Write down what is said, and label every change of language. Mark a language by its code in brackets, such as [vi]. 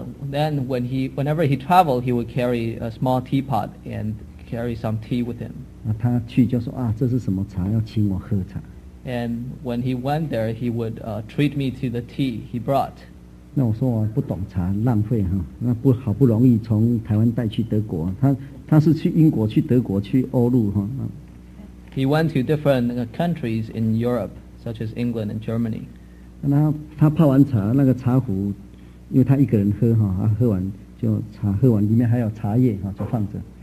[en] Then whenever he traveled, he would carry a small teapot and carry some tea with him. [zh] 那他去就说啊，这是什么茶，要请我喝茶。 [en] And when he went there, he would treat me to the tea he brought. [zh] 那我说我不懂茶，浪费哈。那不好不容易从台湾带去德国，他是去英国、去德国、去欧陆哈。 [en] He went to different countries in Europe, such as England and Germany. [zh] 那他泡完茶，那个茶壶，因为他一个人喝哈，他喝完就茶喝完，里面还有茶叶哈，就放着。